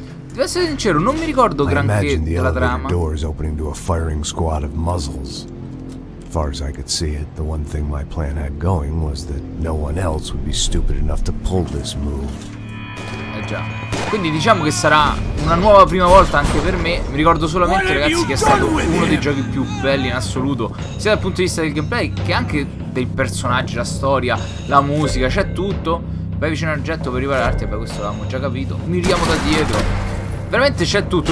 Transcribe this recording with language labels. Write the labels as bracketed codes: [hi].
[it] Devo essere sincero, non mi ricordo granché della trama. [en] Doors opening to a firing squad of muzzles. Far as I could see it, the one thing my plan had going was that no one else would be stupid enough to pull this move. [it] Eh già. Quindi diciamo che sarà una nuova prima volta anche per me. Mi ricordo solamente, ragazzi, che è stato uno dei giochi più belli in assoluto, sia dal punto di vista del gameplay che anche dei personaggi, la storia, la musica, c'è tutto. Vai vicino al getto per ripararti. Beh, questo l'avevamo già capito. Miriamo da dietro. Veramente c'è tutto.